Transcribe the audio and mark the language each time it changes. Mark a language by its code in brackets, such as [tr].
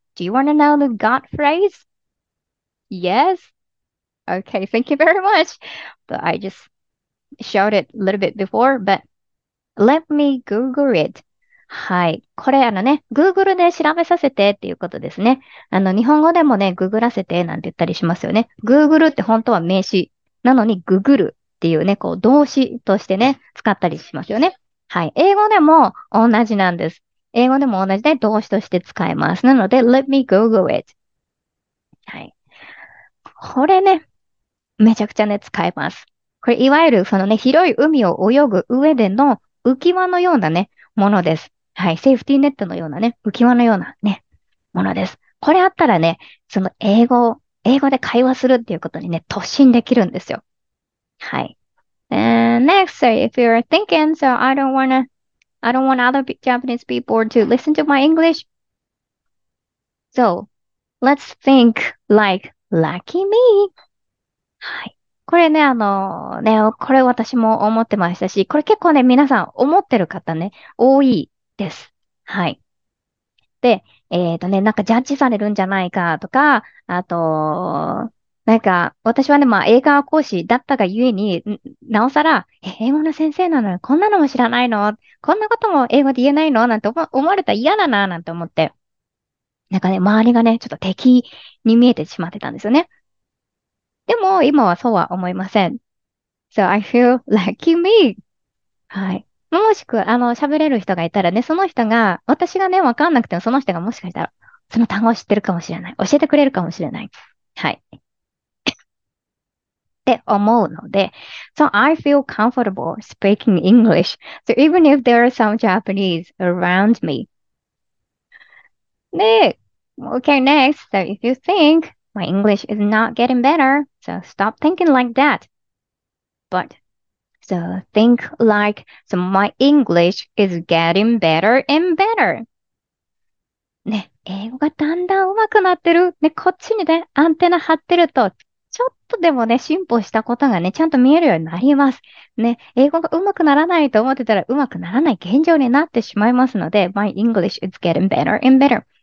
[en] Do you want to know the got phrase? Yes. Okay, thank you very much. But I just showed it a little bit before, but let me Google it. [ja] はい。これ、Google で調べさせてっていうことですね。日本語でもね、ググらせてなんて言ったりしますよね。Google って本当は名詞なのに、ググるっていうね、動詞としてね、使ったりしますよね。はい。英語でも同じなんです。英語でも同じで動詞として使えます。なので、 [en] let me Google it。 [ja] はい。これね、めちゃくちゃね、使えます。これ、いわゆるそのね、広い海を泳ぐ上での浮き輪のようなね、ものです。はい。セーフティーネットのようなね、浮き輪のようなね、ものです。これあったらね、その英語で会話するっていうことにね、突進できるんですよ。はい。 [en] And next, so if you're thinking, so I don't want other Japanese people to listen to my English. So, let's think like lucky me. [ja] はい。これね、これ私も思ってましたし、これ結構ね、皆さん思ってる方ね、多いです。はい。で、なんかジャッジされるんじゃないかとか、あと、なんか、私はね、まあ、英会話講師だったがゆえに、なおさら、英語の先生なのに、こんなのも知らないの？こんなことも英語で言えないの？なんて思われたら嫌だな、なんて思って。なんかね、周りがね、ちょっと敵に見えてしまってたんですよね。でも、今はそうは思いません。 [en] So, I feel lucky me. [ja] はい。もしくは、喋れる人がいたらね、その人が、私がね、わかんなくても、その人がもしかしたら、その単語を知ってるかもしれない。教えてくれるかもしれない。はい。って思うので、 [en] So I feel comfortable speaking English. So even if there are some Japanese around me. [ja] ね、 [en] Okay, next. So if you think my English is not getting better, so stop thinking like that. But, so think like, so my English is getting better and better. [ja] ね、英語がだんだん上手くなってる。ね、こっちにね、アンテナ張ってると、ちょっとでもね、進歩したことがね、ちゃんと見えるようになります。ね、英語が上手くならないと思ってたら上手くならない現状になってしまいますので、 [en] My English is getting better and better。